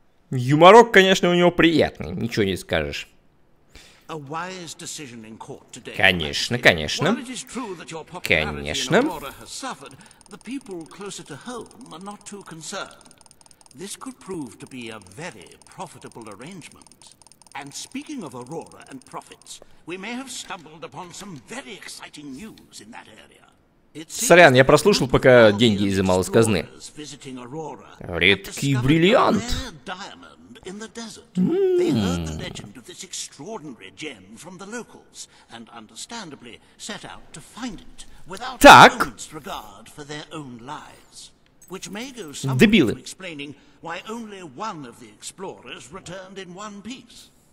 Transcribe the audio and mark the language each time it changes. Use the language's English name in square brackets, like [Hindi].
[Russian] Юморок, конечно, у него приятный, ничего не скажешь. [English] A wise decision in court today. [Russian] Конечно, конечно. [English] While it is true that your popularity in Aurora has suffered, the people closer to home are not too concerned. This could prove to be a very profitable arrangement. And speaking of Aurora and profits, we may have stumbled upon some very exciting news in that area. [Russian] Сорян, я прослушал, пока деньги изымал из казны. Редкий бриллиант. [English] In the desert. Mm. They heard the legend of this extraordinary gem from the locals, and understandably set out to find it without a moment's regard for their own lives. Which may go some way to explaining why only one of the explorers returned in one piece.